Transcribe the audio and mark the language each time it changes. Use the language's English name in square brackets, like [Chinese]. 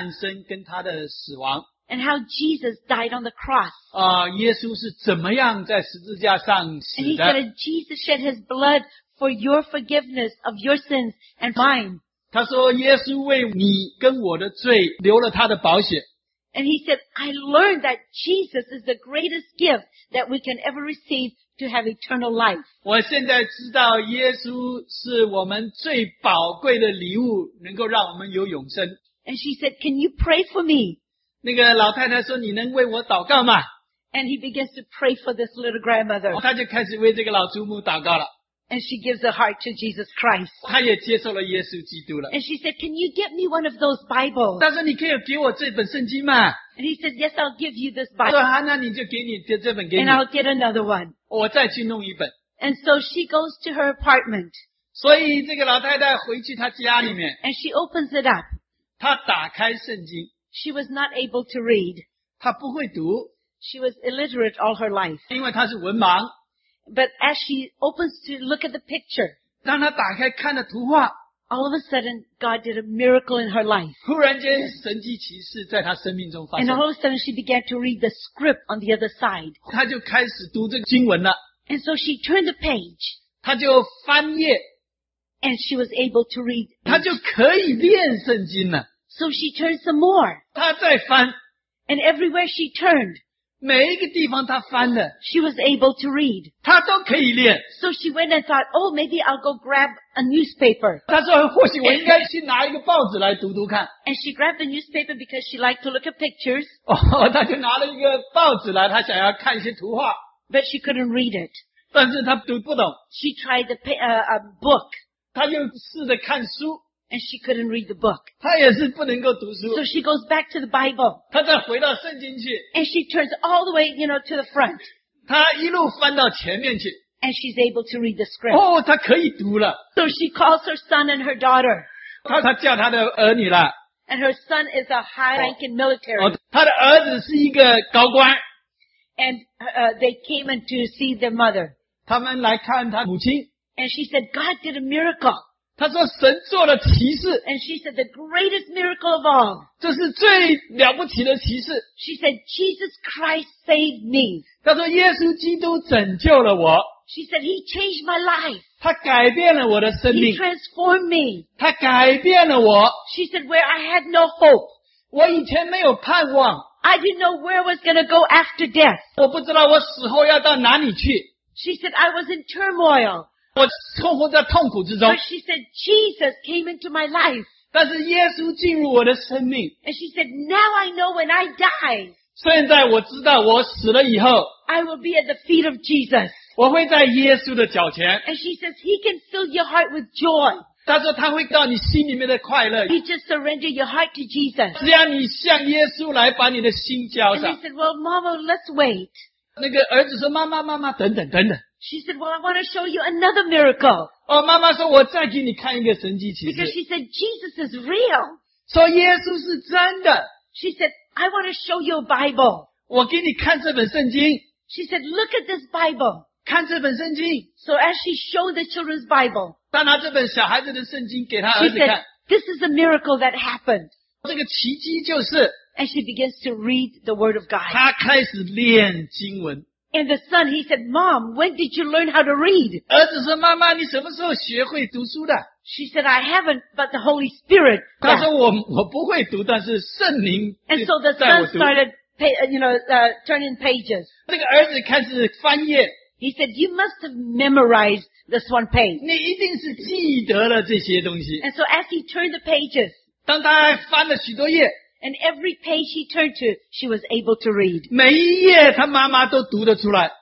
[Chinese] 这个孩子就跟他分享基督的诞生跟他的死亡。 [English] And how Jesus died on the cross. [Chinese] 耶稣是怎么样在十字架上死的。 [English] And he said, Jesus shed his blood for your forgiveness of your sins and mine. [Chinese] 他说耶稣为你跟我的罪留了他的保险。 [English] And he said, I learned that Jesus is the greatest gift that we can ever receive to have eternal life. [Chinese] 我现在知道耶稣是我们最宝贵的礼物，能够让我们有永生。 [English] And she said, can you pray for me? [Chinese] 那个老太太说，你能为我祷告吗？ [English] And he begins to pray for this little grandmother. [Chinese] 他就开始为这个老祖母祷告了。 [English] And she gives her heart to Jesus Christ. [Chinese] 她也接受了耶稣基督了。 [English] And she said, can you get me one of those Bibles? [Chinese] 她说你可以给我这本圣经吗？ [English] And he said, yes, I'll give you this Bible. [Chinese] 她说好，那你就给你这本给你。 [English] And I'll get another one. [Chinese] 我再去弄一本。 [English] And so she goes to her apartment. [Chinese] 所以这个老太太回去她家里面。 [English] And she opens it up. [Chinese] 她打开圣经。 [English] She was not able to read. [Chinese] 她不会读。 [English] She was illiterate all her life. [Chinese] 因为她是文盲。 [English] But as she opens to look at the picture, [Chinese] 当她打开看的图画, [English] all of a sudden, God did a miracle in her life. [Chinese] 忽然间神迹奇事在她生命中发生。 [English] And all of a sudden, she began to read the script on the other side. [Chinese] 她就开始读这个经文了。 [English] And so she turned the page. [Chinese] 她就翻页。 [English] And she was able to read. [Chinese] 她就可以念圣经了。 [English] So she turned some more. [Chinese] 她再翻。 [English] And everywhere she turned, [Chinese] 每一个地方她翻了, [English] she was able to read. [Chinese] 她都可以练。 [English] So she went and thought, oh, maybe I'll go grab a newspaper. [Chinese] 她说或许我应该去拿一个报纸来读读看。 [English] And she grabbed the newspaper because she liked to look at pictures. [Chinese] 哦，她就拿了一个报纸来, 她想要看一些图画。 [English] But she couldn't read it. [Chinese] 但是她读不懂。 [English] She tried a book. [Chinese] 她又试着看书。 [English] And she couldn't read the book. [Chinese] 她也是不能够读书。 [English] So she goes back to the Bible. [Chinese] 她再回到圣经去。 [English] And she turns all the way, you know, to the front. [Chinese] 她一路翻到前面去。 [English] And she's able to read the script. [Chinese] 哦，她可以读了。 [English] So she calls her son and her daughter. [Chinese] 她叫她的儿女了。 [English] And her son is a high-ranking military. [Chinese] 她的儿子是一个高官。 [English] And they came in to see their mother. [Chinese] 他们来看她母亲。 [English] And she said, God did a miracle. [Chinese] 她说神做了奇事。 [English] And she said, the greatest miracle of all. [Chinese] 这是最了不起的奇事。 [English] She said, Jesus Christ saved me. [Chinese] 她说耶稣基督拯救了我。 [English] She said, he changed my life. [Chinese] 她改变了我的生命。 [English] He transformed me. [Chinese] 她改变了我。 [English] She said, where I had no hope. [Chinese] 我以前没有盼望。 [English] I didn't know where I was going to go after death. [Chinese] 我不知道我死后要到哪里去。 [English] She said, I was in turmoil. [Chinese] 我生活在痛苦之中。 [English] But she said, Jesus came into my life. [Chinese] 但是耶稣进入我的生命。 [English] And she said, now I know when I die, [Chinese] 现在我知道我死了以后, [English] I will be at the feet of Jesus. [Chinese] 我会在耶稣的脚前。 [English] And she says, he can fill your heart with joy. [Chinese] 他说他会到你心里面的快乐。 [English] You just surrender your heart to Jesus. [Chinese] 只要你向耶稣来把你的心交上。 [English] And he said, well, Mama, let's wait. [Chinese] 那个儿子说妈妈妈妈等等等等。 [English] She said, well, I want to show you another miracle. [Chinese] 哦，妈妈说，我再给你看一个神迹奇事。 [English] Because she said, Jesus is real. [Chinese] 说耶稣是真的。 [English] She said, I want to show you a Bible. [Chinese] 我给你看这本圣经。 [English] She said, look at this Bible. [Chinese] 看这本圣经。 [English] So as she showed the children's Bible, [Chinese] 当拿这本小孩子的圣经给他儿子看。 [English] She said, this is a miracle that happened. [Chinese] 这个奇迹就是。 [English] And she begins to read the word of God. [Chinese] 她开始练经文。 [English] And the son, he said, Mom, when did you learn how to read? [Chinese] 儿子说，妈妈，你什么时候学会读书的？ [English] She said, I haven't, but the Holy Spirit. [Chinese] 他说，我不会读，但是圣灵带我读。 [English] And so the son started, turning pages. [Chinese] 这个儿子开始翻页。 [English] He said, you must have memorized this one page. [Chinese] 你一定是记得了这些东西。 [English] And so as he turned the pages, [Chinese] 当他翻了许多页。 [English] And every page she turned to, she was able to read. [Chinese] 每一页，他妈妈都读得出来。